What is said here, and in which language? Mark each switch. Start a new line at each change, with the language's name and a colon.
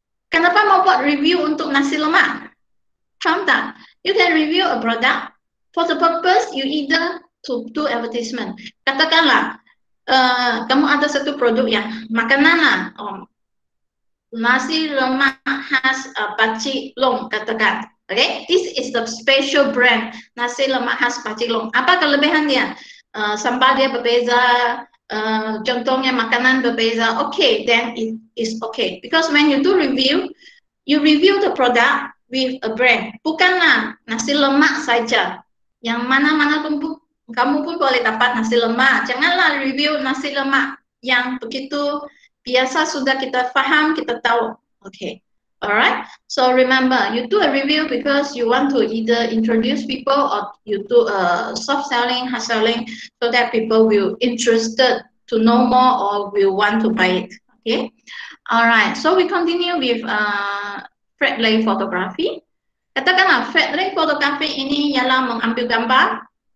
Malay: Kenapa mau buat review untuk nasi lemak? Faham tak?
English: You can review a product for the purpose you either to do advertisement.
Malay: Katakanlah, kamu ada satu produk yang makanan lah. Oh, nasi lemak khas Pakcik Long, katakan.
English: Okay, this is the special brand, nasi lemak khas Pakcik Long.
Malay: Apa kelebihannya? Sambal dia berbeza, contohnya makanan berbeza.
English: Okay, then it is okay. Because when you do review, you review the product with a brand.
Malay: Bukanlah nasi lemak saja. Yang mana-mana pun kamu pun boleh dapat nasi lemak. Janganlah review nasi lemak yang begitu biasa sudah kita faham, kita tahu. Okay.
English: Alright, so remember, you do a review because you want to either introduce people or you do a soft selling, hard selling, so that people will interested to know more or will want to buy it. Okay, alright, so we continue with flat lay photography.
Malay: Katakanlah flat lay photography ini ialah mengambil gambar.